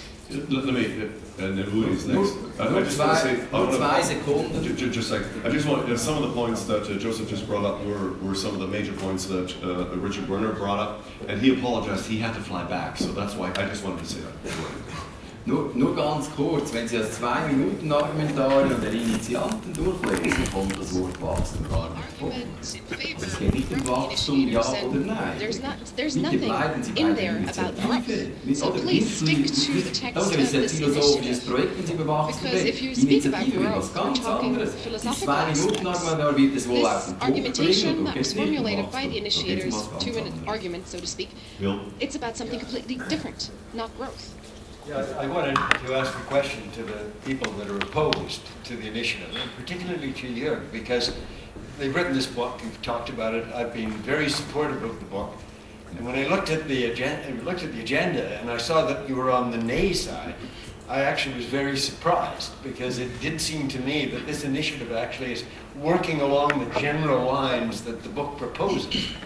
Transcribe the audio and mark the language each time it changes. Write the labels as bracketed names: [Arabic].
[English] Let me... And then who is next? I just want to say some of the points that Joseph just brought up were some of the major points that Richard Werner brought up. And he apologized, he had to fly back. So that's why I just wanted to say that. [German] Nur ganz kurz, wenn Sie das 2-Minuten-Argumentarium und der Initianten durchlegen, dann kommt das Wort Wachstum gar nicht vor. Es geht nicht um Wachstum, ja oder nein. Bitte bleiben Sie bei der Initiative. Das ist ein philosophisches Projekt, wenn Sie über Wachstum reden. Initiative ist etwas ganz anderes. Im 2-Minuten-Argumentarium wird es wohl auf den Punkt bringen, oder geht es nicht um Wachstum? [English] To an argument, so to speak. Bill? It's about something completely different, not growth. Yeah, I wanted to ask a question to the people that are opposed to the initiative, and particularly to you, because they've written this book, you've talked about it, I've been very supportive of the book, and when I looked at the agenda and I saw that you were on the nay side, I actually was very surprised, because it did seem to me that this initiative actually is working along the general lines that the book proposes.